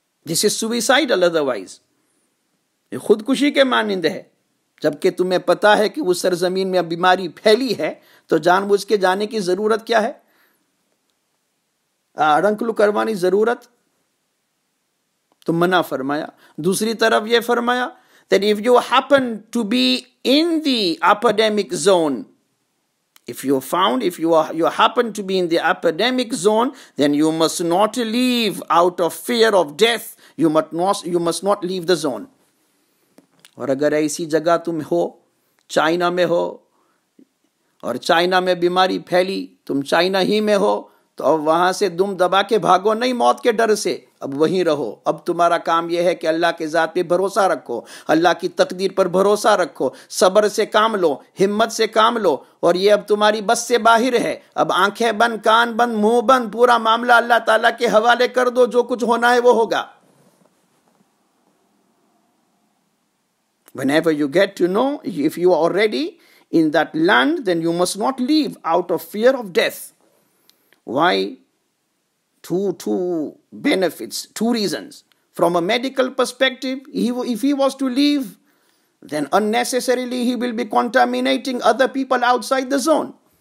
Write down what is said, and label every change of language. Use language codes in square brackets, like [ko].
[en] this is suicidal otherwise, [ur] یہ خودکشی کے مانند ہے. جبکہ تمہیں پتا ہے کہ اس سرزمین میں بیماری پھیلی ہے تو جان بوجھ کے جانے کی ضرورت کیا ہے, اڑنکلو کروانی ضرورت, تو منع فرمایا. دوسری طرف یہ فرمایا [en] that if you happen to be in the epidemic zone, if you happen to be in the epidemic zone, then you must not leave out of fear of death. You must not leave the zone. [ur] Aur agar aisi jagah tum ho, China mein ho, aur China mein bimari pheli, tum China hi mein ho, to ab wahan se dum daba ke bhago nahi maut ke dar se. اب وہیں رہو. اب تمہارا کام یہ ہے کہ اللہ کے ذات پہ بھروسہ رکھو, اللہ کی تقدیر پر بھروسہ رکھو, صبر سے کام لو, ہمت سے کام لو. اور یہ اب تمہاری بس سے باہر ہے. اب آنکھیں بند, کان بند, منہ بند, پورا معاملہ اللہ تعالیٰ کے حوالے کر دو. جو کچھ ہونا ہے وہ ہوگا. [en] Whenever you get to know, if you are already in that land, then you must not leave out of fear of death. Why? Two benefits, two reasons. From a medical perspective, if he was to leave, then unnecessarily he will be contaminating other people outside the zone.